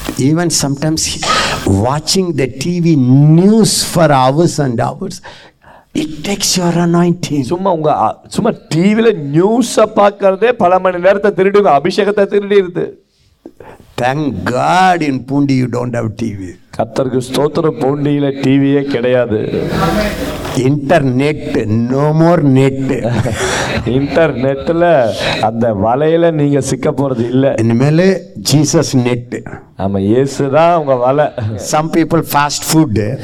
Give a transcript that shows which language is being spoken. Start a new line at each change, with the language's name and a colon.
English: Even sometimes watching the TV news for hours and hours, it takes your anointing.
Tamil: சும்மா டிவில நியூஸ பார்க்கறதே பல மணி நேரத்தை திருடுங்க. அபிஷேகத்தை திருடிடுது.
English: Thank God in Pundi you don't have TV.
Tamil: கர்த்தருக்கு ஸ்தோத்திரம் பூண்டியில டிவியே கிடையாது.
English: Internet no more net.
Tamil: இன்டர்நெட்ல அந்த வலையில நீங்க சிக்க போறது இல்லை. இனிமேல் ஜீசஸ் நெட்டு. ஆமா இயேசு தான் உங்க வலை.
English: Some people fast food.